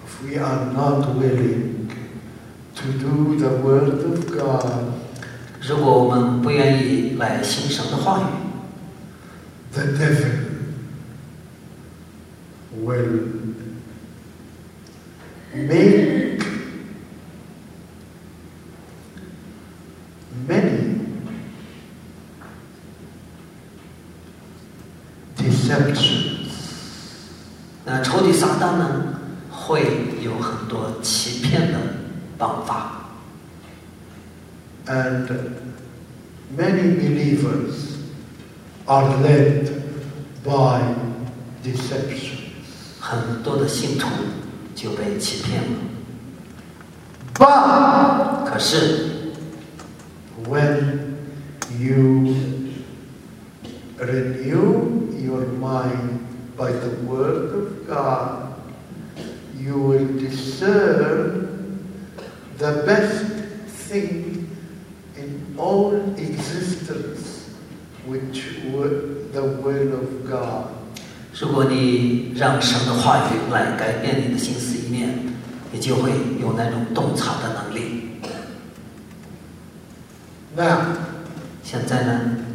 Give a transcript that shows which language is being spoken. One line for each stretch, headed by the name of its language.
English: ，If we are not willing to do the word of God,
Chinese: 如果我们不愿意来行神的话语
English: ，the devil will make many deceptions.
Chinese: 那仇敌撒旦呢，会有很多欺骗的方法。
English: And many believers are led by deceptions.
Chinese: 很多的信徒就被欺骗了。
English: But
Chinese: 可是。
English: When you renew your mind by the word of God, you will discern the best thing in all existence, which was the will of God.
Chinese: 如果你让神的话语来改变你的心思意念，你就会有那种洞察的能力。
English: Now,
Chinese: 现在呢